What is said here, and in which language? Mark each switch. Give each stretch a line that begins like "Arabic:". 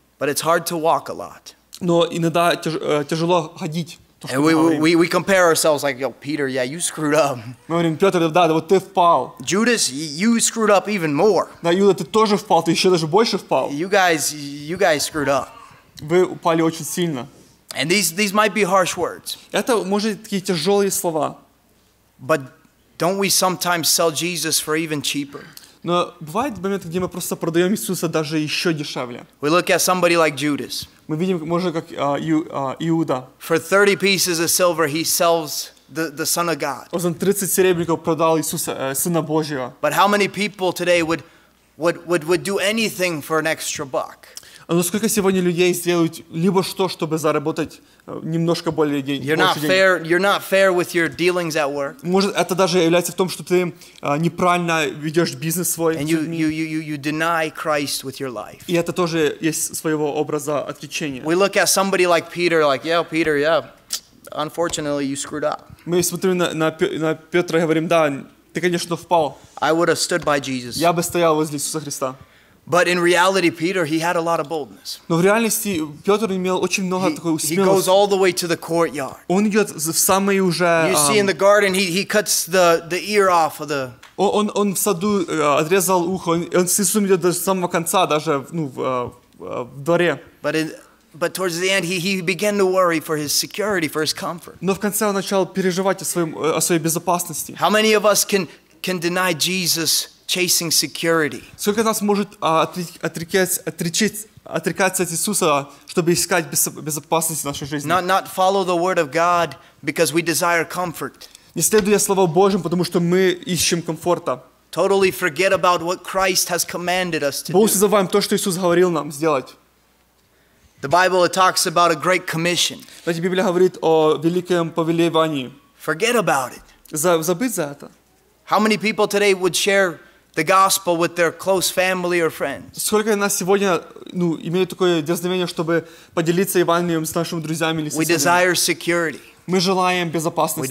English: But it's hard to walk a lot.
Russian: Но иногда тяжело ходить.
English: And we compare ourselves like, yo, Peter, yeah, you screwed up.
Russian: Мы говорим, Петр, да, вот ты впал.
English: Judas, you screwed up even more.
Russian: Да, Юда, ты тоже впал, ты еще даже больше впал.
English: You guys screwed up.
Russian: Вы упали очень сильно.
English: And these might be harsh words.
Russian: Это, может, такие тяжелые слова.
English: But don't we sometimes sell Jesus for even cheaper?
Russian: Но бывает момент, где мы просто продаем Иисуса даже еще дешевле.
English: We look at somebody like Judas.
Russian: Мы видим, может, как Иуда.
English: For 30 pieces of silver, he sells the Son of God.
Russian: Он за 30 серебряников продал Иисуса, Сына Божьего.
English: But how many people today would do anything for an extra buck?
Russian: Но сколько сегодня людей сделают либо что, чтобы заработать немножко более денег?
English: You're not fair with your dealings at work.
Russian: Может, это даже является в том, что ты неправильно ведешь бизнес свой.
English: And you deny Christ with your life.
Russian: И это тоже есть своего образа отречения.
English: We look at somebody like Peter, like, yeah, Peter, yeah, unfortunately, you screwed up.
Russian: Мы смотрим на Петра и говорим, да, ты, конечно, впал.
English: I would have stood by Jesus.
Russian: Я бы стоял возле Иисуса Христа.
English: But in reality, Peter, he had a lot of boldness.
Russian: Но в реальности Петр имел очень много такой смелости.
English: He goes all the way to the courtyard.
Russian: Он идет в самые уже.
English: You see in the garden, he cuts the ear off of the.
Russian: Он в саду отрезал ухо. Он с Иисусом идет до самого конца, даже в дворе.
English: But towards the end, he began to worry for his security, for his comfort.
Russian: Но в конце он начал переживать о своей безопасности.
English: How many of us can deny Jesus chasing security?
Russian: Сколько нас может отрекаться от Иисуса, чтобы искать безопасности в нашей жизни?
English: Not follow the word of God because we desire comfort.
Russian: Не следуя слову Божьему, потому что мы ищем комфорта.
English: Totally forget about what Christ has commanded us to do.
Russian: Полностью забываем то, что Иисус говорил нам сделать.
English: The Bible talks about a great commission.
Russian: Знаете, Библия говорит о великом повелевании.
English: Forget about it.
Russian: Забыть за это.
English: How many people today would share the gospel with their close family or friends?
Russian: Сколько нас сегодня, имеют такое дерзновение, чтобы поделиться Евангелием с нашими друзьями или соседями?
English: We desire security.
Russian: Мы желаем безопасности.